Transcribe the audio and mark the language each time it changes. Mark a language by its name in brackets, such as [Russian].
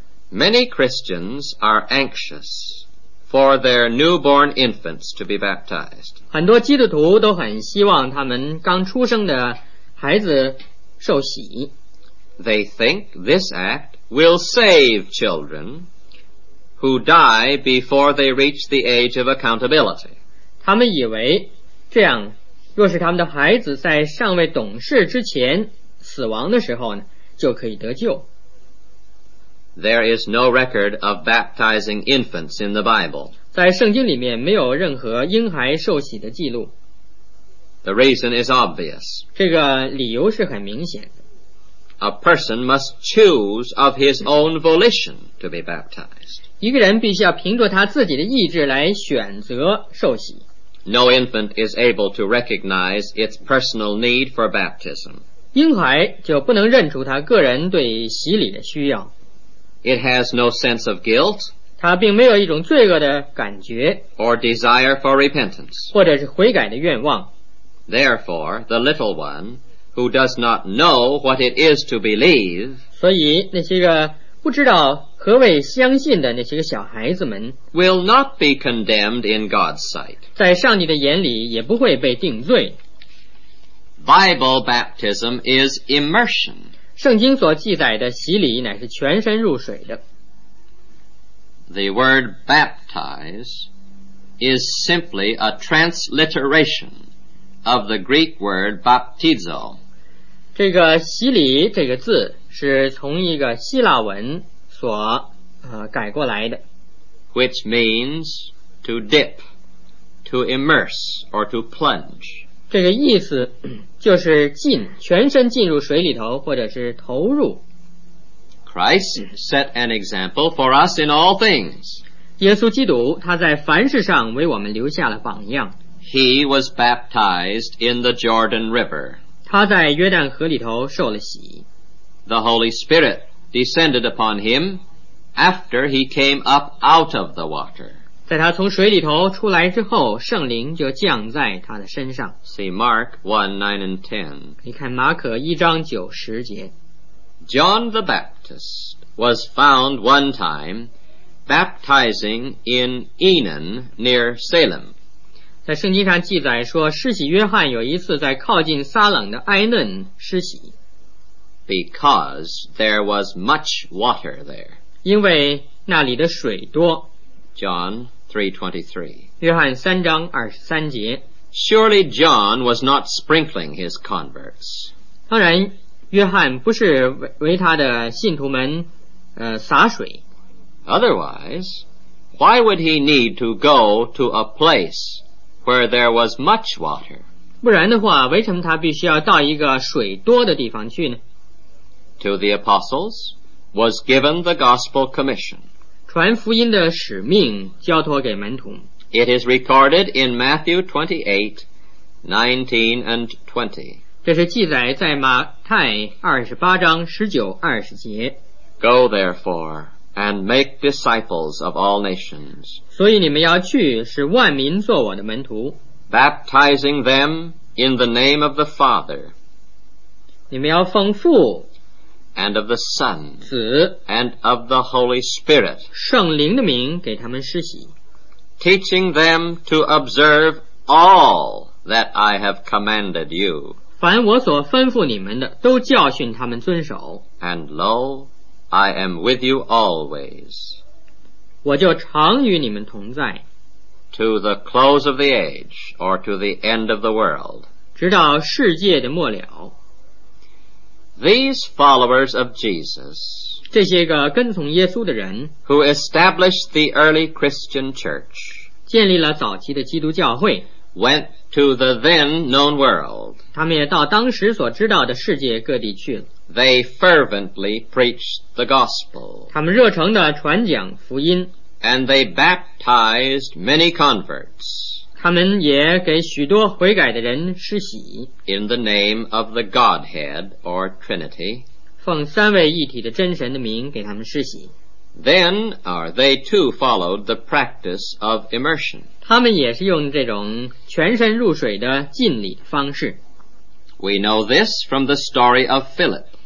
[English] Many Christians are anxious for their newborn infants to be baptized. [Chinese] 很多基督徒都很希望他们刚出生的孩子受洗。 [English] They think this act will save children. Who die before they reach the age of accountability. [Chinese] 他们以为这样若是他们的孩子在尚未懂事之前死亡的时候呢就可以得救。 [English] There is no record of baptizing infants in the Bible. [Chinese] 在圣经里面没有任何婴孩受洗的记录。 [English] The reason is obvious. [Chinese] 这个理由是很明显的。 [English] A person must choose of his own volition to be baptized. [Chinese] 一个人必须要凭着他自己的意志来选择受洗。 [English] No infant is able to recognize its personal need for baptism. [Chinese] 婴孩就不能认出他个人对洗礼的需要。 [English] It has no sense of guilt. [Chinese] 他并没有一种罪恶的感觉。 [English] Or desire for repentance. [Chinese] 或者是悔改的愿望。 [English] Therefore, the little one,Who does not know what it is to believe, [Chinese] 所以那些个不知道何谓相信的那些个小孩子们 [English] will not be condemned in God's sight. [Chinese] 在上帝的眼里也不会被定罪。 [English] Bible baptism is immersion. [Chinese] 圣经所记载的洗礼乃是全身入水的。 [English] The word baptize is simply a transliteration. Of the Greek word baptizo. [Chinese] 这个洗礼这个字是从一个希腊文所改过来的。 [English] Which means to dip, to immerse, or to plunge. [Chinese] 这个意思就是浸，全身浸入水里头，或者是投入。 [English] Christ set an example for us in all things. [Chinese] 耶稣基督他在凡事上为我们留下了榜样。 [English] He was baptized in the Jordan River. [Chinese] 他在约旦河里头受了洗。 [English] The Holy Spirit descended upon him after he came up out of the water. [Chinese] 在他从水里头出来之后，圣灵就降在他的身上。 [English] See Mark 1:9-10. [Chinese] 你看马可一章九十节。 [English] John the Baptist was found one time baptizing in Enon near Salem. [Chinese] 在圣经上记载说，施洗约翰有一次在靠近撒冷的埃嫩施洗。 [English] Because there was much water there. [Chinese] 因为那里的水多。 [English] John 3:23. [Chinese] 约翰三章二十三节。 [English] Surely John was not sprinkling his converts. [Chinese] 当然，约翰不是为他的信徒们洒水。 [English] Otherwise, why would he need to go to a place? Where there was much water. [Chinese] 不然的话，为什么他必须要到一个水多的地方去呢？ [English] To the apostles was given the gospel commission. [Chinese] 传福音的使命交托给门徒。 [English] It is recorded in Matthew 28:19-20. [Chinese] 这是记载在马太28:19-20。 [English] Go therefore and make disciples of all nations. [Chinese] 所以你们要去，使万民做我的门徒。 [English] Baptizing them in the name of the Father. [Chinese] 你们要奉父。 [English] And of the Son. [Chinese] 子。 [English] And of the Holy Spirit. [Chinese] 圣灵的名给他们施洗。 [English] Teaching them to observe all that I have commanded you. [Chinese] 凡我所吩咐你们的，都教训他们遵守。 [English] And lo, I am with you always. [Chinese] 我就常与你们同在。 [English] To the close of the age, or to the end of the world. [Chinese] 直到世界的末了。 [English] These followers of Jesus, [Chinese] 这些个跟从耶稣的人， [English] who established the early Christian church, [Chinese] 建立了早期的基督教会， [English] went to the then known world. [Chinese] 他们也到当时所知道的世界各地去了。 [English] They fervently preached the gospel. [Chinese] 他们热诚地传讲福音。 [English] And they baptized many converts. [Chinese] 他们也给许多悔改的人施洗。 [English] In the name of the Godhead or Trinity. [Chinese] 奉三位一体的真神的名给他们施洗。 [English] Then are they too followed the practice of immersion. [Chinese] 他们也是用这种全身入水的浸礼方式。 [English] We know this from the story of Philip.